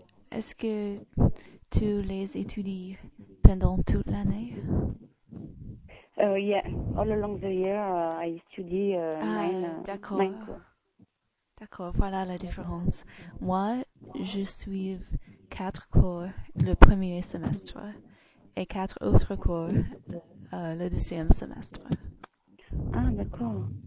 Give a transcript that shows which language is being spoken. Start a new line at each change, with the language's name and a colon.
French: Est-ce que tu les étudies pendant toute l'année?
English: Yeah, all along the year, I study nine cours.
French: D'accord, voilà la différence. Moi, je suis 4 cours le premier semestre et 4 autres cours le deuxième semestre. Ah, d'accord.